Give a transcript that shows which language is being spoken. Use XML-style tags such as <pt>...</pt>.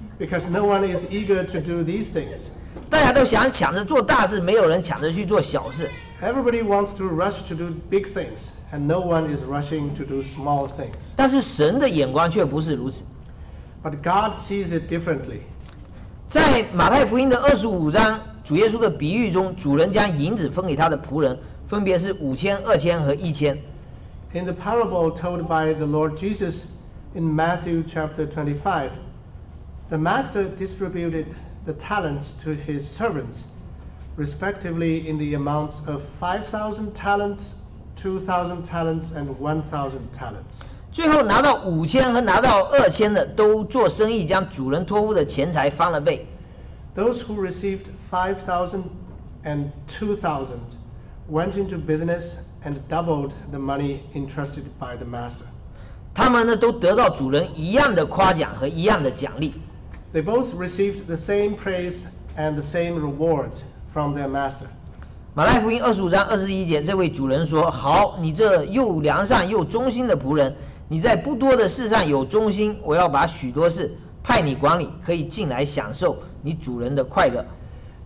<en>Because no one is eager to do these things.</en> <zh>大家都想抢着做大事，没有人抢着去做小事。</zh> <en>Everybody wants to rush to do big things, and no one is rushing to do small things.</en> <zh>但是神的眼光却不是如此。</zh> <en>But God sees it differently.</en> <zh>在马太福音的二十五章，主耶稣的比喻中，主人将银子分给他的仆人，分别是五千、二千和一千。</zh> <en>In the parable told by the Lord Jesus in Matthew chapter 25, the master distributed. The talents to his servants, respectively, in the amounts of 5,000 talents, 2,000 talents, and 1,000 talents.</en> <zh>最后拿到五千和拿到二千的都做生意，将主人托付的钱财翻了倍。</zh> <en>Those who received 5,000 and 2,000 went into business and doubled the money entrusted by the master.</en> <zh>他们呢都得到主人一样的夸奖和一样的奖励。</zh> <en>They both received the same praise and the same rewards from their master.</en> <zh>马太福音二十五章二十一节，这位主人说：“好，你这又良善又忠心的仆人，你在不多的事上有忠心，我要把许多事派你管理，可以进来享受你主人的快乐。”</zh>